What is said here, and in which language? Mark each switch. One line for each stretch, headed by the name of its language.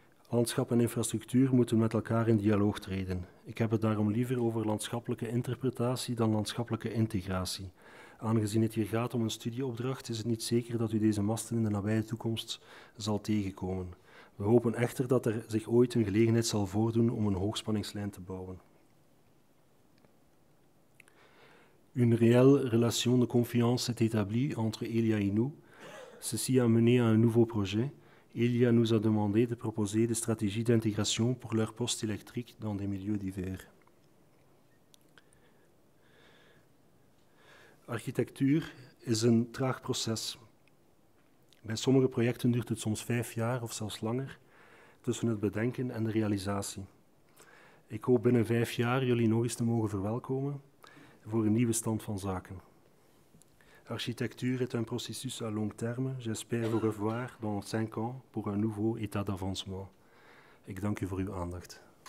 Dutch: Landschap en infrastructuur moeten met elkaar in dialoog treden. Ik heb het daarom liever over landschappelijke interpretatie dan landschappelijke integratie. Aangezien het hier gaat om een studieopdracht, is het niet zeker dat u deze masten in de nabije toekomst zal tegenkomen. We hopen echter dat er zich ooit een gelegenheid zal voordoen om een hoogspanningslijn te bouwen.
French: Une réelle relation de confiance s'est établie entre Elia et nous. Ceci a mené à un nouveau projet. Elia nous a demandé de proposer des stratégies d'intégration pour leur poste électrique dans des milieux divers.
Dutch: Architectuur is een traag proces. Bij sommige projecten duurt het soms 5 jaar of zelfs langer tussen het bedenken en de realisatie. Ik hoop binnen 5 jaar jullie nog eens te mogen verwelkomen voor een nieuwe stand van zaken.
French: Architecture est un processus à long terme. J'espère vous revoir dans 5 ans pour un nouveau état d'avancement.
Dutch: Ik dank u voor uw aandacht.